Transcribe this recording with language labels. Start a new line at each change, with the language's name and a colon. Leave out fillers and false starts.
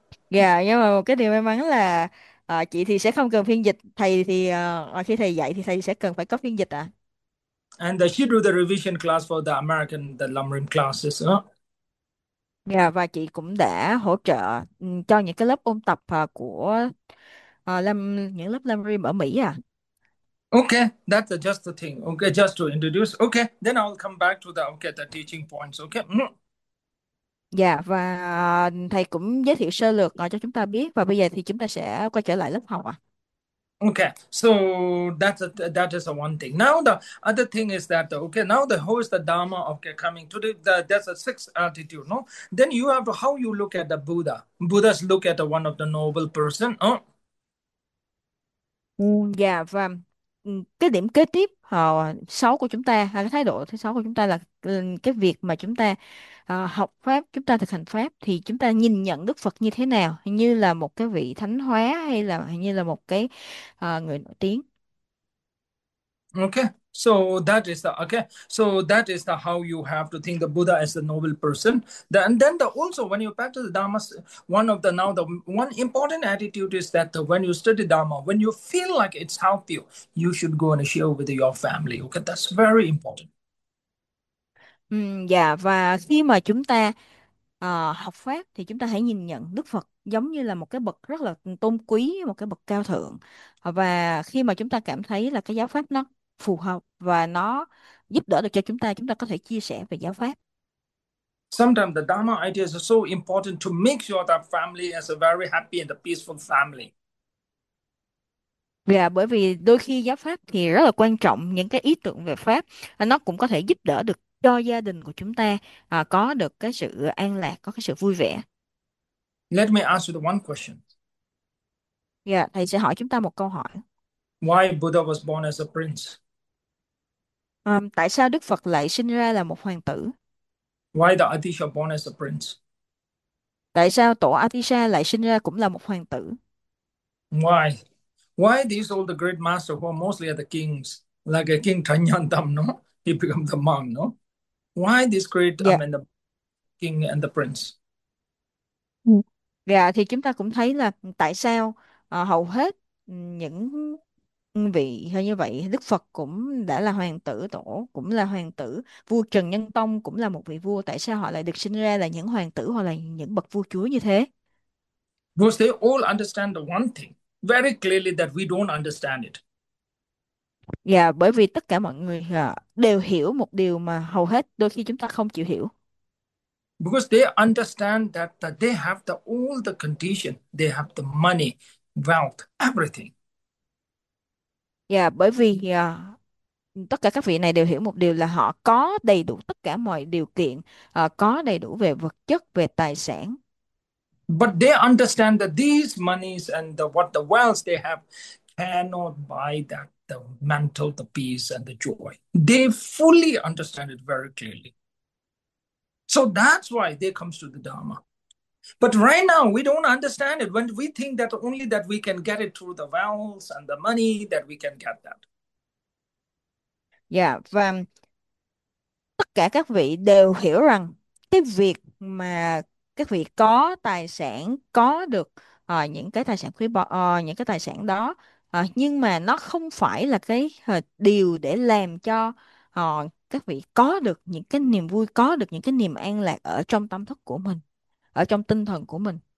Vietnamese: Dạ, nhưng mà một cái điều may mắn là chị thì sẽ không cần phiên dịch, thầy thì khi thầy dạy thì thầy sẽ cần phải có phiên dịch ạ.
English: And she do the revision class for the American, the Lamrim classes.
Vietnamese: Dạ, và chị cũng đã hỗ trợ cho những cái lớp ôn tập của những lớp Lam Rim ở Mỹ à.
English: Okay, that's just the thing. Okay, just to introduce. Okay, then I'll come back to the teaching points. Okay.
Vietnamese: Dạ, và thầy cũng giới thiệu sơ lược cho chúng ta biết và bây giờ thì chúng ta sẽ quay trở lại lớp học ạ.
English: Okay, so that is the one thing. Now the other thing is that okay. Now the who is the Dharma? Okay, coming to the that's a sixth attitude. No, then you have to how you look at the Buddha. Buddha's look at the one of the noble person.
Vietnamese: Dạ, và cái điểm kế tiếp xấu của chúng ta, cái thái độ thứ sáu của chúng ta là cái việc mà chúng ta học pháp, chúng ta thực hành pháp thì chúng ta nhìn nhận Đức Phật như thế nào, như là một cái vị thánh hóa hay là như là một cái người nổi tiếng.
English: Okay, so that is the okay. So that is the how you have to think the Buddha as the noble person. And then also when you practice the Dharma, one of the now the one important attitude is that when you study Dharma, when you feel like it's helped you, you should go and share with your family. Okay, that's very important.
Vietnamese: Dạ, và khi mà chúng ta học pháp thì chúng ta hãy nhìn nhận Đức Phật giống như là một cái bậc rất là tôn quý, một cái bậc cao thượng. Và khi mà chúng ta cảm thấy là cái giáo pháp nó phù hợp và nó giúp đỡ được cho chúng ta có thể chia sẻ về giáo pháp.
English: Sometimes the Dharma ideas are so important to make sure that family has a very happy and a peaceful family.
Vietnamese: Dạ, bởi vì đôi khi giáo pháp thì rất là quan trọng, những cái ý tưởng về pháp nó cũng có thể giúp đỡ được cho gia đình của chúng ta có được cái sự an lạc, có cái sự vui vẻ.
English: Let me ask you the one question.
Vietnamese: Dạ, thầy sẽ hỏi chúng ta một câu hỏi.
English: Why Buddha was born as a prince?
Vietnamese: Tại sao Đức Phật lại sinh ra là một hoàng tử?
English: Why the Adisha born as a prince?
Vietnamese: Tại sao Tổ Atisha lại sinh ra cũng là một hoàng tử?
English: Why? Why these all the great masters who are mostly are the kings, like a king Trajantam, no? He becomes the monk, no? Why this great, Dạ. the king and the prince?
Vietnamese: Dạ, thì chúng ta cũng thấy là tại sao hầu hết những vị như vậy, Đức Phật cũng đã là hoàng tử, Tổ cũng là hoàng tử, vua Trần Nhân Tông cũng là một vị vua, tại sao họ lại được sinh ra là những hoàng tử hoặc là những bậc vua chúa như thế?
English: Because they all understand the one thing very clearly that we don't understand it.
Vietnamese: Dạ, bởi vì tất cả mọi người đều hiểu một điều mà hầu hết đôi khi chúng ta không chịu hiểu.
English: Because they understand that they have the all the condition, they have the money, wealth, everything.
Vietnamese: Dạ, bởi vì tất cả các vị này đều hiểu một điều là họ có đầy đủ tất cả mọi điều kiện, có đầy đủ về vật chất, về tài sản.
English: But they understand that these monies and the, what the wealth they have cannot buy that the mental, the peace and the joy. They fully understand it very clearly. So that's why they come to the Dharma. But right now we don't understand it when we think that only that we can get it through the wealth and the money that we can get that.
Vietnamese: Dạ, và tất cả các vị đều hiểu rằng cái việc mà cái việc có tài sản, có được những cái tài sản quý báu, những cái tài sản đó, nhưng mà nó không phải là cái điều để làm cho các vị có được những cái niềm vui, có được những cái niềm an lạc ở trong tâm thức của mình, ở trong tinh thần của mình.